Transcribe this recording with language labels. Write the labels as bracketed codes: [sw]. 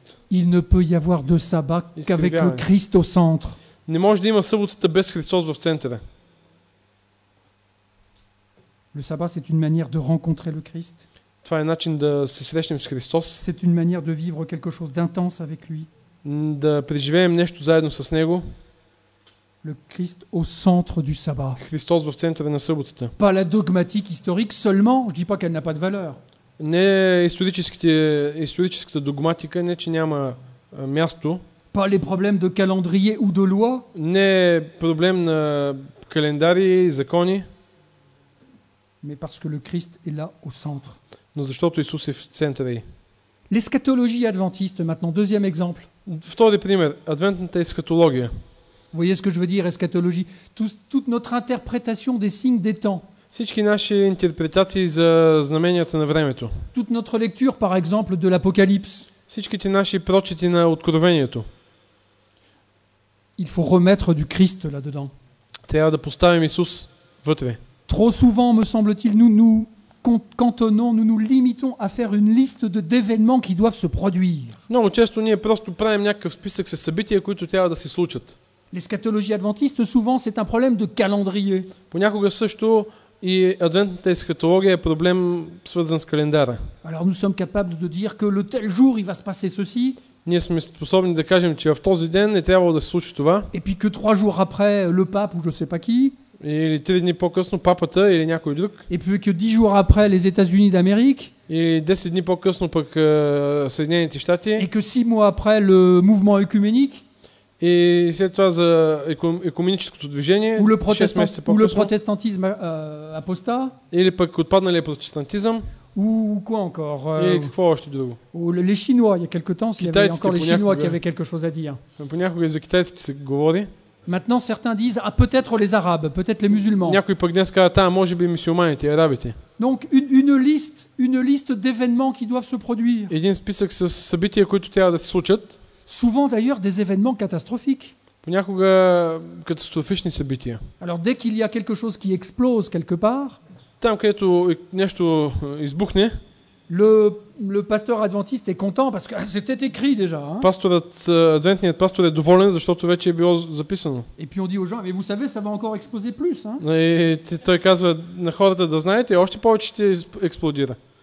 [fr] Il ne peut y avoir de sabbat qu'avec le Christ au centre. [bg] Не може да има съботата без Христос в центъра. [fr] Le sabbat c'est une manière de rencontrer le Christ. [bg] Това е начин да се срещнем с Христос. [fr] C'est une manière de vivre quelque chose d'intense avec lui. [bg] Да преживеем нещо заедно с него. [fr] Le Christ au centre du sabbat. [bg] Христос в центъра на съботата. [fr] Pas la dogmatique historique seulement, je dis pas qu'elle n'a pas de valeur. [bg] Не историческата догматика, не че няма място. [fr] Pas les problèmes de calendrier ou de loi. [bg] Не проблем на календари и закони. [fr] Mais parce que le Christ est là au centre. [bg] Но защото Исус е в центъра й. [fr] L'eschatologie adventiste maintenant, deuxième exemple. [bg] Втори пример, адвентната ескатология. [fr] Vous voyez ce que je veux dire, eschatologie. Toute notre interprétation des signes des temps. [bg] Всички наши интерпретации за знаменията на времето. [fr] Toute notre lecture, par exemple, de l'Apocalypse. [bg] Всичките наши прочети на Откровението. [fr] Il faut remettre du Christ là-dedans. [bg] Трябва да поставим Исус вътре. [fr] Trop souvent, me semble-t-il, nous cantonnons, nous nous limitons à faire une liste d'événements qui doivent se produire. [bg] Много често ние просто правим някакъв списък с събития, които трябва да се случат. [fr] L'eschatologie adventiste, souvent, c'est un problème de calendrier. [bg] Понякога също и адвентната есхатология е проблем свързан с календара. [fr] Alors nous sommes capables de dire que le tel jour il va se passer ceci. [bg] Ние сме способни да кажем, че в този ден е трябвало да се случи това. [fr] Et puis que 3 jours après le pape ou je sais pas qui. [bg] Или 3 дни по-късно папата или някой друг. [fr] Et puis que 10 jours après les États-Unis d'Amérique. [bg] Или 10 дни по-късно пък Съединените щати. [fr] Et que 6 mois après le mouvement œcuménique. [bg] И след това за екуменическото движение, [fr] ou le protestantisme apostat, [bg] или пък отпадналия протестантизъм, [fr] ou quoi encore, [bg] или какво още друго. [fr] Ou les Chinois, il y a quelque temps, il y avait encore les Chinois qui avaient quelque chose à dire. [bg] Понякога за китайците се говори. [fr] Maintenant, certains disent, ah, peut-être les Arabes, peut-être les musulmans. [bg] Някой пък днес казва, може би мюсюлманите, арабите. [fr] Donc, une liste d'événements qui doivent se produire. [bg] Един списък с събития, които трябва да се случат. [fr] Souvent d'ailleurs des événements catastrophiques. [bg] Понякога катастрофични събития. [fr] Alors dès qu'il y a quelque chose qui explose quelque part, [bg] там където нещо избухне, [fr] Le pasteur adventiste est content parce que c'était écрит déjà, hein. [bg] Пасторът, адвентният пастор е доволен, защото вече е било записано. [fr] Et puis on dit aux gens, mais vous savez, ça va encore exploser plus, hein. [bg] Et той казва на хората да знаете, още повече ще експлодира.